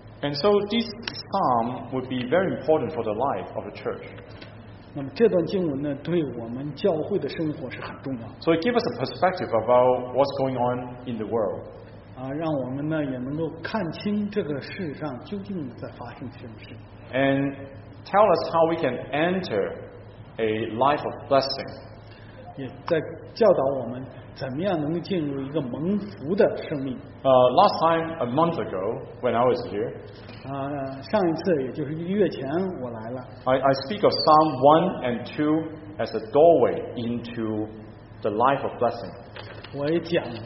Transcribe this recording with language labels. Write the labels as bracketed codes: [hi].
[en] And so this psalm would be very important for the life of the church. [zh] 那么这段经文呢，对我们教会的生活是很重要的。 [en] So it gives us a perspective about what's going on in the world. [zh] 让我们呢也能够看清这个世上究竟在发生什么事。 [en] And tell us how we can enter a life of blessing. [zh] 也在教导我们怎么样能够进入一个蒙福的生命。 [en] Last time, a month ago, when I was here, [zh] 上一次也就是一个月前我来了。 [en] I speak of Psalm 1 and 2 as a doorway into the life of blessing.